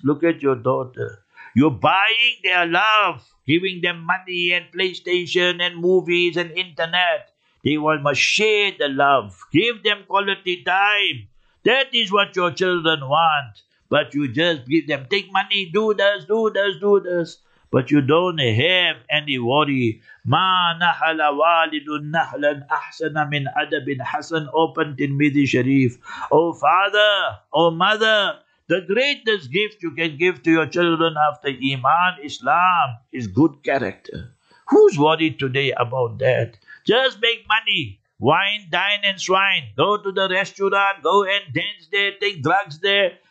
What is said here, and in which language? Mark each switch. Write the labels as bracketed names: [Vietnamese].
[English] Look at your daughter. You're buying their love, giving them money and PlayStation and movies and internet. They must share the love. Give them quality time. That is what your children want. But you just give them, take money, do this. But you don't have any worry. [Arabic] مَا نَحَلَ وَالِدٌ نَحْلًا أَحْسَنَ مِنْ أَدَبٍ حَسَنٍ [English] Open Tirmidhi Sharif. O father, O mother, the greatest gift you can give to your children after Iman, Islam, is good character. Who's worried today about that? Just make money. Wine, dine and swine. Go to the restaurant, go and dance there, take drugs there.